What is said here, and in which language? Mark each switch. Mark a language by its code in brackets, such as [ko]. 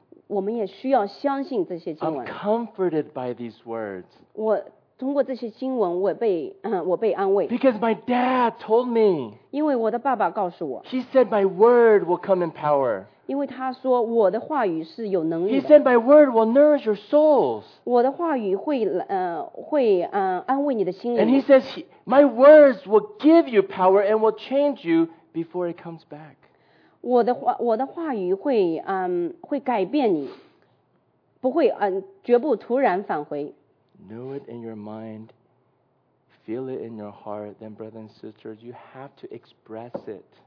[zh] 我们也需要相信这些经文。 [en] I'm comforted by these words. [zh] 通过这些经文我被安慰。 [en] Because my dad told me. [zh] 因为我的爸爸告诉我。 [en] He said my word will come in power. [zh] 因为他说我的话语是有能力的。 [en] He said my word will nourish your souls. [zh] 我的话语会安慰你的心灵。 [en] And he says my words will give you power and will change you before it comes back. [zh] 我的话语会改变你，不会绝不突然返回。 [en] Know it in your mind, feel it in your heart, then brothers and sisters, you have to express it.